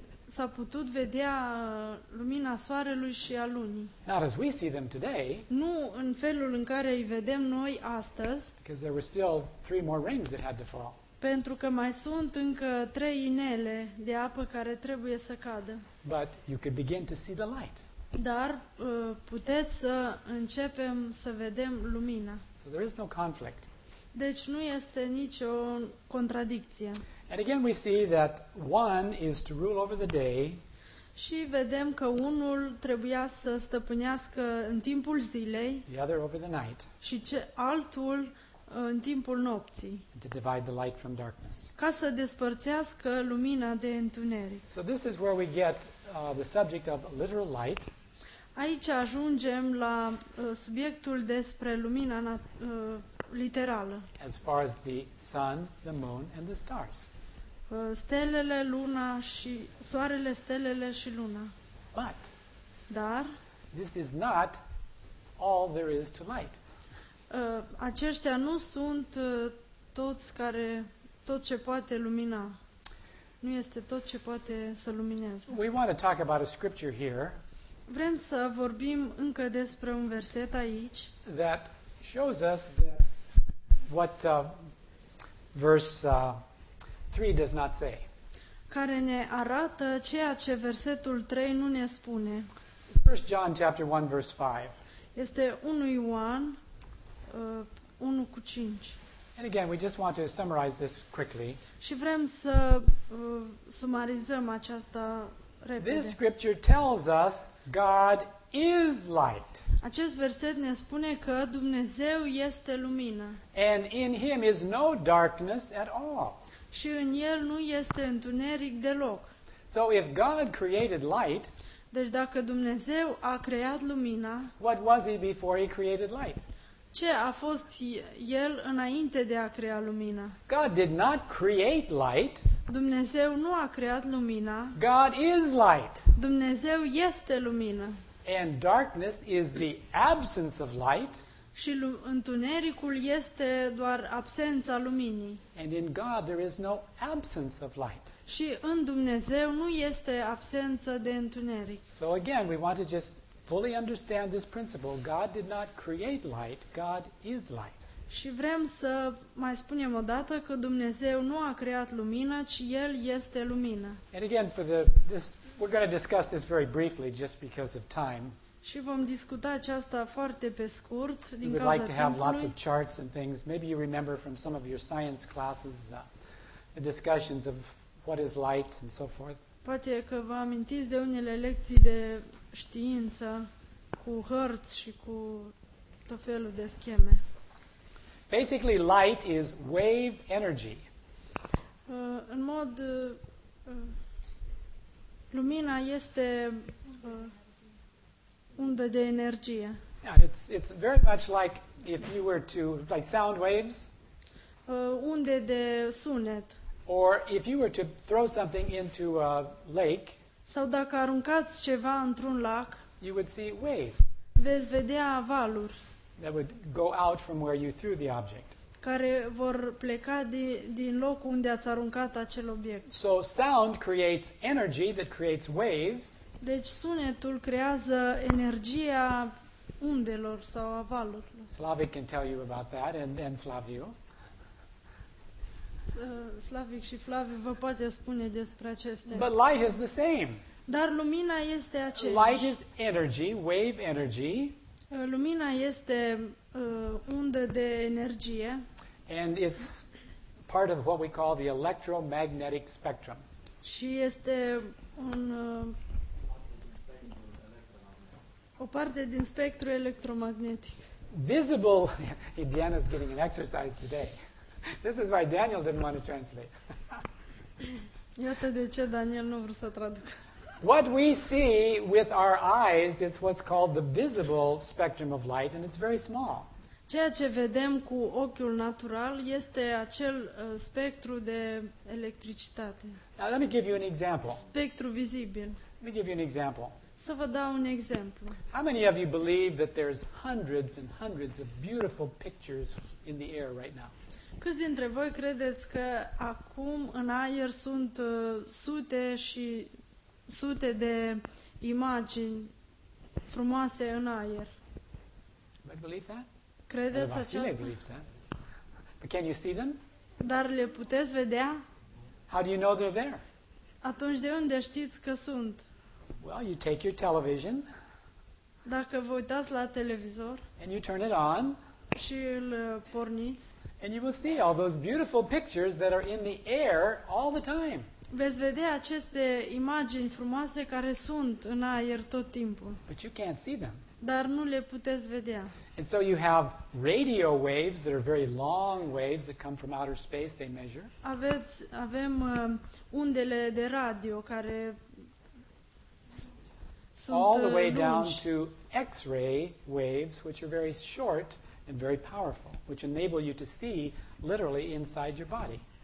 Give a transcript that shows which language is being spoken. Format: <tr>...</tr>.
<ro>S-a putut vedea lumina soarelui și a lunii.</ro> <en>Not as we see them today.</en> <ro>Nu în felul în care îi vedem noi astăzi.</ro> <en>Because there were still three more rings that had to fall.</en> <ro>Pentru că mai sunt încă trei inele de apă care trebuie să cadă.</ro> <en>But you could begin to see the light.</en> <ro>Dar puteți să începem să vedem lumina.</ro> <en>So there is no conflict.</en> <ro>Deci nu este nicio contradicție.</ro> <en>And again we see that one is to rule over the day.</en> <ro>Și vedem că unul trebuia să stăpânească în timpul zilei.</ro> <en>The other over the night.</en> <ro>Și altul în timpul nopții.</ro> <en>And to divide the light from darkness.</en> <ro>Ca să despărțească lumina de întuneric.</ro> <en>So this is where we get the subject of literal light.</en> <ro>Aici ajungem la subiectul despre lumina literală.</ro> <en>As far as the sun, the moon and the stars.</en> <ro>Stelele, luna și soarele, stelele și luna.</ro> <en>But</en> <ro>dar</ro> <en>this is not all there is to light.</en> <ro>Aceștia nu sunt toți care tot ce poate lumina. Nu este tot ce poate să lumineze.</ro> <en>We want to talk about a scripture here.</en> <ro>Vrem să vorbim încă despre un verset aici.</ro> <en>That shows us that what verse 3 does not say.</en> <ro>Care ne arată ceea ce versetul 3 nu ne spune.</ro> <en>First John chapter 1 verse 5.</en> <ro>Este 1 Ioan 1 cu 5.</ro> <en>And again, we just want to summarize this quickly.</en> <ro>Și vrem să sumarizăm aceasta repede.</ro> <en>This scripture tells us God is light.</en> <ro>Acest verset ne spune că Dumnezeu este lumină.</ro> <en>And in him is no darkness at all.</en> <ro>Și în el nu este întuneric deloc.</ro> <en>So if God created light,</en> <ro>deci dacă Dumnezeu a creat lumina,</ro> <en>what was he before he created light?</en> <ro>Ce a fost el înainte de a crea lumina?</ro> <en>God did not create light.</en> <ro>Dumnezeu nu a creat lumina.</ro> <en>God is light.</en> <ro>Dumnezeu este lumină.</ro> <en>And darkness is the absence of light.</en> <ro>Și întunericul este doar absența luminii.</ro> <en>And in God there is no absence of light.</en> <ro>Și în Dumnezeu nu este absență de întuneric.</ro> <en>So again, we want to just fully understand this principle. God did not create light. God is light.</en> <ro>Și vrem să mai spunem o dată că Dumnezeu nu a creat lumină, ci el este lumină.</ro> <en>And again, we're going to discuss this very briefly just because of time.</en> <ro>Și vom discuta aceasta foarte pe scurt din cauza timpului.</ro> <en>We'd like to have lots of charts and things. Maybe you remember from some of your science classes the discussions of what is light and so forth.</en> <ro>Poate că vă amintiți de unele lecții de știință cu hărți și cu tot felul de scheme.</ro> <en>Basically, light is wave energy.</en> <ro>În mod lumina este undă de energie.</ro> <en>Yeah, it's very much like if you were to like sound waves.</en> <ro>Unde de sunet.</ro> <en>Or if you were to throw something into a lake.</en> <ro>Sau dacă aruncați ceva într-un lac.</ro> <en>You would see waves.</en> <ro>Veți vedea valuri.</ro> <en>That would go out from where you threw the object.</en> <ro>Care vor pleca din locul unde ați aruncat acel obiect.</ro> <en>So sound creates energy that creates waves.</en> <ro>Deci sunetul creează energia undelor sau a valurilor.</ro> <en>Slavic can tell you about that and Flaviu.</en> <ro>Slavic și Flaviu vă poate spune despre aceste.</ro> <en>But light is the same.</en> <ro>Dar lumina este aceeași.</ro> <en>Light is energy, wave energy.</en> <ro>Lumina este undă de energie.</ro> <en>And it's part of what we call the electromagnetic spectrum.</en> <ro>Și este un o parte din spectrul electromagnetic.</ro> <en>Visible. Diana is getting an exercise today. This is why Daniel didn't want to translate.</en> <ro>Iată de ce Daniel nu vrea să traducă.</ro> <en>What we see with our eyes is what's called the visible spectrum of light, and it's very small.</en> <ro>Ceea ce vedem cu ochiul natural este acel spectru de electricitate.</ro> <en>Now let me give you an example.</en> <ro>Spectru vizibil.</ro> <en>Let me give you an example.</en> <ro>Să vă dau un exemplu.</ro> <en>How many of you believe that there's hundreds and hundreds of beautiful pictures in the air right now?</en> <ro>Câți dintre voi credeți că acum în aer sunt sute și sute de imagini frumoase în aer?</ro> <en>You believe that?</en> <ro>Credeți aceasta?</ro> <en>Vasile believes that. But can you see them?</en> <ro>Dar le puteți vedea?</ro> <en>How do you know they're there?</en> <ro>Atunci de unde știți că sunt?</ro> <en>Well, you take your television.</en> <ro>Dacă vă uitați la televizor,</ro> <en>and you turn it on,</en> <ro>și îl porniți,</ro> <en>and you will see all those beautiful pictures that are in the air all the time.</en> <ro>Veți vedea aceste imagini frumoase care sunt în aer tot timpul.</ro> <en>But you can't see them.</en> <ro>Dar nu le puteți vedea.</ro> <en>And so you have radio waves that are very long waves that come from outer space, they measure.</en> <ro>Avem undele de radio care sunt</ro> <en>all the way</en> <ro>lungi.</ro> <en>Down to X-ray waves, which are very short and very powerful, which enable you to see literally inside your body.</en>